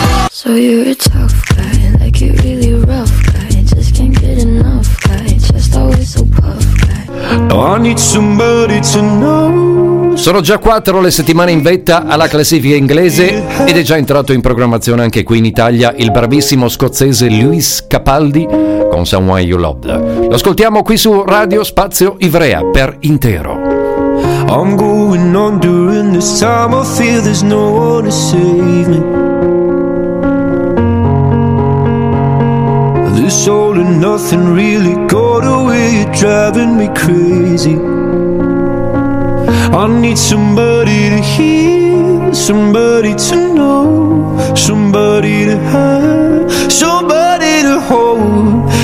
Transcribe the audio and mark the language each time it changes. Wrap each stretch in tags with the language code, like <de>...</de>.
<en>So you're a tough guy, like you're really rough guy. Just can't get enough guy, just always so puff guy. Oh, I need somebody to know.</en> <it>Sono già quattro le settimane in vetta alla classifica inglese ed è già entrato in programmazione anche qui in Italia il bravissimo scozzese Lewis Capaldi con Someone You Loved. Lo ascoltiamo qui su Radio Spazio Ivrea per intero.</it> <en>I'm going on during this time, I feel there's no one to save me. This all or nothing really got away, you're driving me crazy. I need somebody to hear, somebody to know, somebody to have, somebody to hold.</en>